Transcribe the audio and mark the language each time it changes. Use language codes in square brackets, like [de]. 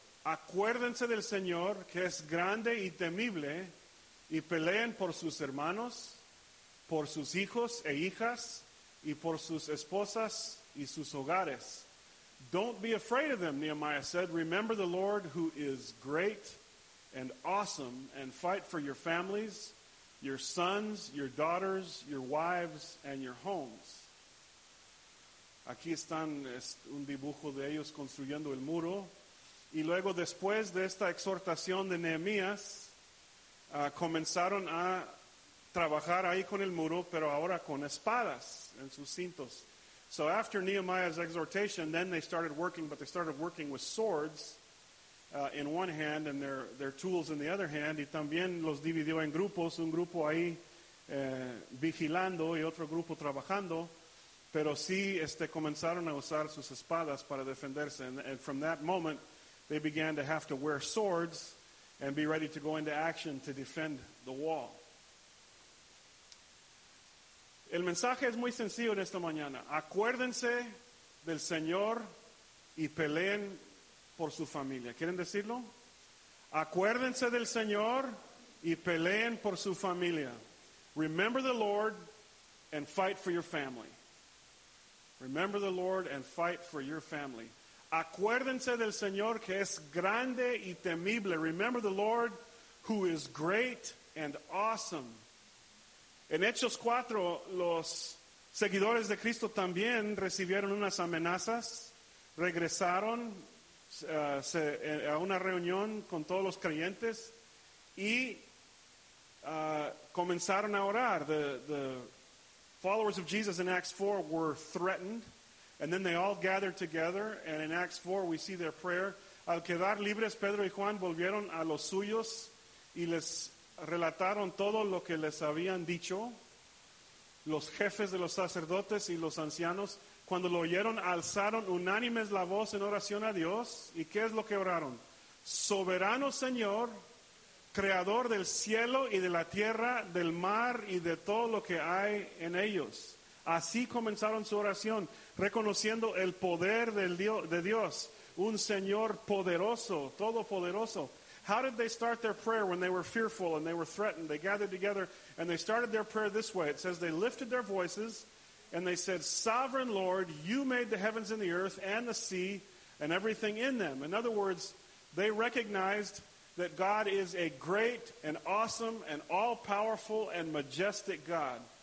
[es] Acuérdense del Señor, que es grande y temible, y peleen por sus hermanos, por sus hijos e hijas, y por sus esposas y sus hogares. [en] Don't be afraid of them, Nehemiah said. Remember the Lord who is great and awesome, and fight for your families, your sons, your daughters, your wives, and your homes. [es] Aquí están un dibujo de ellos construyendo el muro. Y luego, después de esta exhortación de Nehemías, comenzaron a trabajar ahí con el muro, pero ahora con espadas en sus cintos. [en] So after Nehemiah's exhortation, then they started working, but they started working with swords in one hand and their tools in the other hand. [es] Y también los dividió en grupos, un grupo ahí vigilando y otro grupo trabajando. Pero sí comenzaron a usar sus espadas para defenderse. [en] And from that moment, they began to have to wear swords and be ready to go into action to defend the wall. [es] El mensaje es muy sencillo en esta mañana. Acuérdense del Señor y peleen por su familia. ¿Quieren decirlo? Acuérdense del Señor y peleen por su familia. [en] Remember the Lord and fight for your family. Remember the Lord and fight for your family. [es] Acuérdense del Señor que es grande y temible. [en] Remember the Lord who is great and awesome. [es] En Hechos 4, los seguidores de Cristo también recibieron unas amenazas. Regresaron a una reunión con todos los creyentes y comenzaron a orar. [en] The followers of Jesus in Acts 4 were threatened. And then they all gathered together, and in Acts 4, we see their prayer. [es] Al quedar libres, Pedro y Juan volvieron a los suyos y les relataron todo lo que les habían dicho. Los jefes de los sacerdotes y los ancianos, cuando lo oyeron, alzaron unánimes la voz en oración a Dios. ¿Y qué es lo que oraron? Soberano Señor, creador del cielo y de la tierra, del mar y de todo lo que hay en ellos. Así comenzaron su oración, reconociendo el poder de Dios, un Señor poderoso, todopoderoso. [en] How did they start their prayer when they were fearful and they were threatened? They gathered together and they started their prayer this way. It says they lifted their voices and they said, Sovereign Lord, you made the heavens and the earth and the sea and everything in them. In other words, they recognized that God is a great and awesome and all-powerful and majestic God.